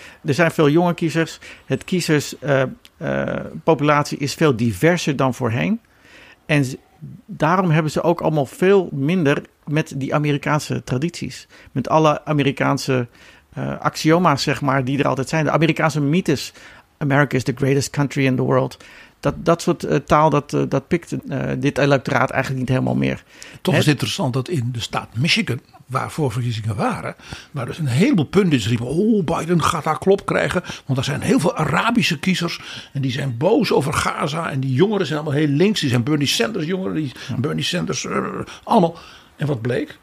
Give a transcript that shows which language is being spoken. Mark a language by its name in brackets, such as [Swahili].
[Dutch] Er zijn veel jonge kiezers. Het kiezerspopulatie is veel diverser dan voorheen. En daarom hebben ze ook allemaal veel minder met die Amerikaanse tradities. Met alle Amerikaanse axioma's, zeg maar, die er altijd zijn. De Amerikaanse mythes. [English] America is the greatest country in the world. [Dutch] Dat soort taal, dat pikt dit electoraat eigenlijk niet helemaal meer. Toch is het interessant dat in de staat Michigan, waar voorverkiezingen waren, waar dus een heleboel pundits riepen, oh, Biden gaat daar klop krijgen, want er zijn heel veel Arabische kiezers en die zijn boos over Gaza en die jongeren zijn allemaal heel links, die zijn Bernie Sanders jongeren, Bernie Sanders, allemaal. En wat bleek?